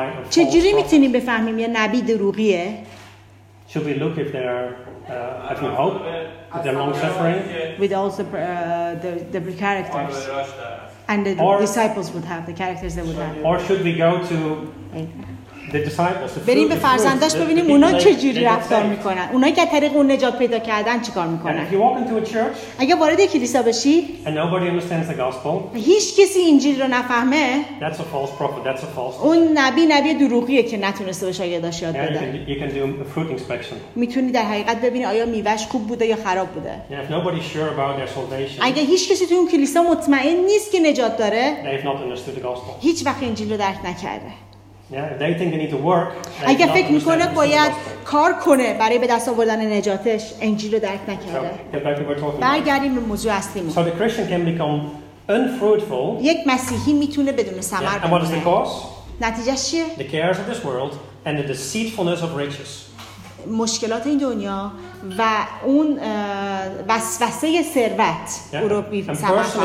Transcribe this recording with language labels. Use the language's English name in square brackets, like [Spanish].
[Persian] چجوری میتونیم بفهمیم یه نبی دروغیه؟ [English] Should we look if they are having hope, if they're long suffering, with also the characters, and the or, disciples would have the characters they would have. Or should we go to the disciples? [Persian] بریم به فرزنداش ببینیم اونا چه جوری رفتار میکنن. اونا که طریق اون نجات پیدا کردن چیکار میکنن. [English] If you walk into a church, [Persian] اگه وارد کلیسا بشی, [English] and nobody understands the gospel, [Persian] هیچ کسی انجیل رو نفهمه, [English] that's a false prophet. That's a false. [Persian] اون نبی دروغیه که نتونسته به شاگرداش یاد بده. [English] You can do a fruit inspection. [Persian] میتونی در حقیقت ببینی آیا میوه‌اش خوب بوده یا خراب بوده. [English] If nobody's sure about their salvation, [Persian] اگه هیچ کسی تو اون کلیسا مطمئن نیست که نجات داره, [English] they have not understood the gospel. [Persian] هیچ وقت انجیل رو درک نکرده. [English] Yeah, they think they need to work. [Persian] اگه فکر میکنه باید کار کنه برای به دست آوردن نجاتش, انجیل رو درک نکرده. برگردیم به موضوع اصلیمون. [English] So the Christian can become unfruitful. [Persian] یک مسیحی میتونه بدون ثمر بمونه. [English] And what is the cause? [Persian] نتیجه چیه؟ [English] The cares of this world and the deceitfulness of riches. [Persian] مشکلات این دنیا و اون وسوسه ثروت او رو بی ثمر